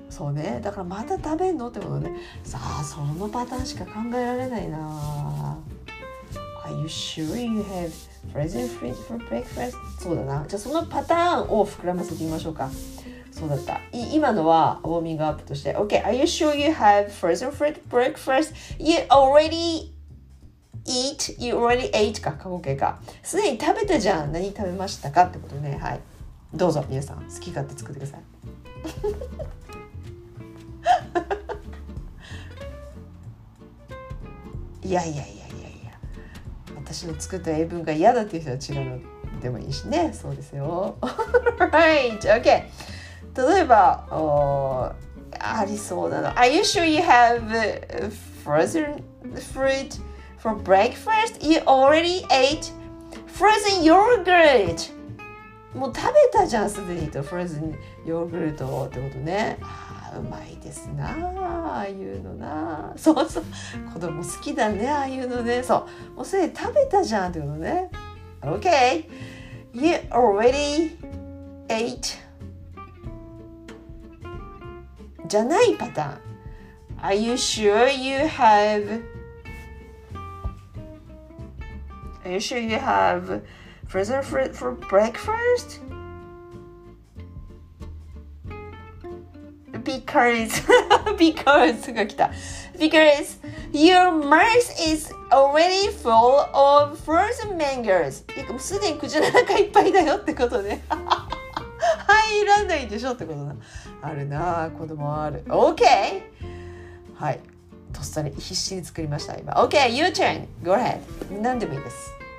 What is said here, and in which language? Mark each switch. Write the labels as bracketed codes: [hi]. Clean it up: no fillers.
[ja] そうね、だからまた食べんのってことね。さあ、そのパターンしか考えられないな。 [en] Are you sure you have frozen fruit for breakfast? [ja] そうだな。じゃあそのパターンを膨らませてみましょうか。そうだった。今のはウォーミングアップとして OK。 [en] Are you sure you have frozen fruit for breakfast? You already eat? You already ate? [ja] か、過去形か。すでに食べたじゃん。何食べましたかってことね。はい、どうぞ皆さん好き勝手作ってください。いやいやいやいやいや、私の作った英文が嫌だっていう人は違うのでもいいしね。そうですよ。 [en] Right, okay. [ja] 例えばありそうなの。 [en] Are you sure you have frozen fruit for breakfast? You already ate frozen yogurt. [ja] もう食べたじゃん、すでにと。フレーズンヨーグルトってことね。ああ、うまいですな、ああいうのな。そうそう、子供好きだね、ああいうのね。そう、もうすでに食べたじゃんってことね。 [en] OK! You already ate? [ja] じゃないパターン。 [en] Are you sure you have? Are you sure you have frozen fruit for breakfast? Because [ja] が来た。 [en] Because your mouth is already full of frozen mangoes. [ja] もうすでに口の中いっぱいだよってことね。入らないでしょってことな。あるな、子供ある。OK! はい。とっさに必死に作りました、今。 [en] OK! Your turn! Go ahead! [ja] 何でもいいです。